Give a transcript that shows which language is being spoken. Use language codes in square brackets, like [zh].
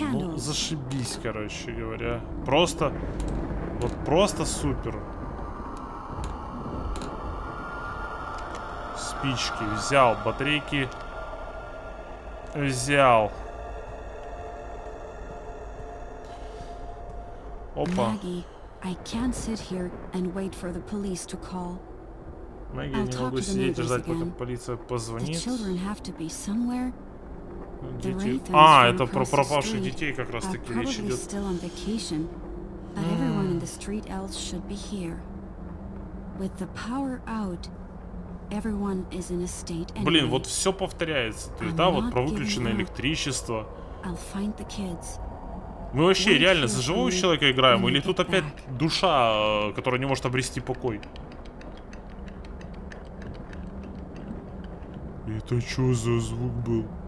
[ru] Ну, зашибись, короче говоря. Просто, вот просто супер. Спички взял, батарейки взял. Опа. [en] Maggie, I can't sit here and wait for the police to call. [ru] Maggie, не могу сидеть и ждать, пока полиция позвонит. [en] The children have to be somewhere. [ru] Дети... А, это про пропавших детей как раз таки речь идет. [en] Probably still on vacation, but everyone in the street else should be here. With the power out, everyone is in a state anyway. [ru] Блин, вот все повторяется, то есть, да, вот про выключенное электричество. [en] I'll find the kids. [ru] Мы вообще реально за живого человека играем, или тут опять душа, которая не может обрести покой? Это что за звук был?